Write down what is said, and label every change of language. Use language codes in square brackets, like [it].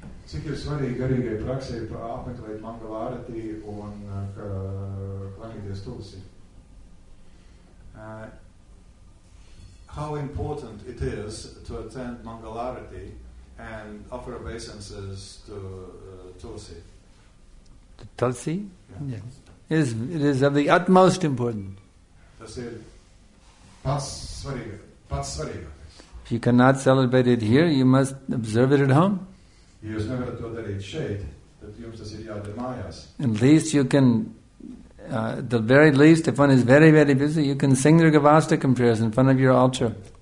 [lv] Cik ir svarīgi garīgai praksē apmeklēt Mangalārati un klanīties Tulsi? [en] How important it is to attend Mangalārati and offer obeisances to Tulsi? To Tulsi? Yeah. Yes. It is of the utmost importance. [lv] Tas ir pats svarīgākais. [en] If you cannot celebrate it here, you must observe it at home. [lv] Ja jūs nevarat to darīt šeit, tad jums tas ir jādara mājās. [en] At least you can, the very least, if one is very, very busy, you can sing their Gavastakam prayers in front of your altar.